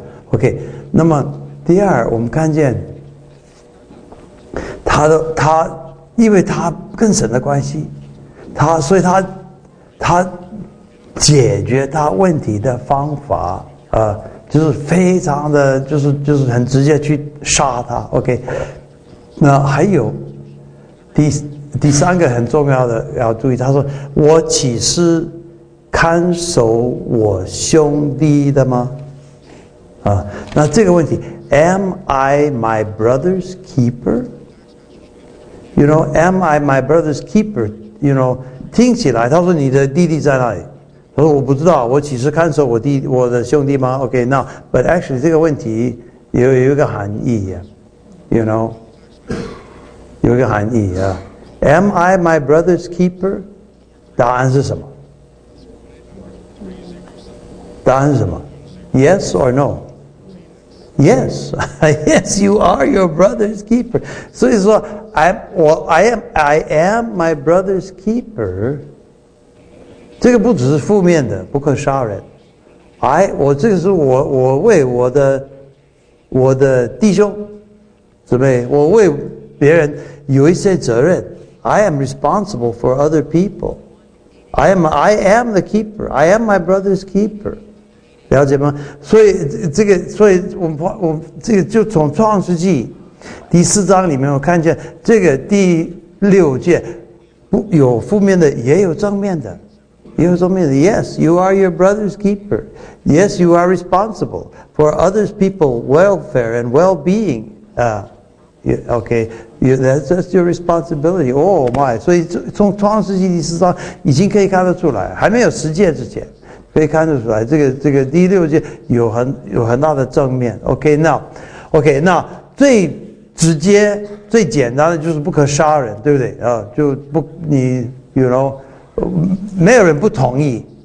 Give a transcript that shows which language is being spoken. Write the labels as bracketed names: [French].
[Chinese] OK， 那么第二，我们看见他因为他跟神的关系，所以他解决他问题的方法啊，就是非常的就是很直接去杀他。 OK， 那还有第三个很重要的要注意，他说我岂是看守我兄弟的吗？啊，那这个问题 [English] Am I my brother's keeper? You know, am I my brother's keeper? You know, [Chinese] 听起来他说你的弟弟在哪里，他说我不知道，我岂是看守我的兄弟吗 ？ [English] OK， now， but actually， [Chinese] 这个问题有一个含义 ， [English] you know， [Chinese] 有一个含义啊。 [English] Am I my brother's keeper？ [Chinese] 答案是什么？答案是什么？ [English] Yes or no? Yes. Yes, you are your brother's keeper. [Chinese] 所以说 [English] I am my brother's keeper. [Chinese] 这个不只是负面的，不可杀人。我为我的弟兄姊妹，我为别人有一些责任。 [English] I am responsible for other people. I am the keeper. I am my brother's keeper. [Chinese] 了解吗？所以这个，所以我这个就从创世纪第四章里面，我看见这个第六诫，不有负面的，也有正面的，也有正面的。 [English] Yes, you are your brother's keeper. Yes, you are responsible for other people's welfare and well-being. Okay, that's your responsibility. Oh my! [Chinese] 所以从创世纪第四章已经可以看得出来，还没有实践之前。可以看得出来，这个第六诫有很大的正面。 [English] OK, now [Chinese] 最直接、最简单的就是不可杀人，对不对？啊，就不你 ， [English] you know， [Chinese] 没有人不同意。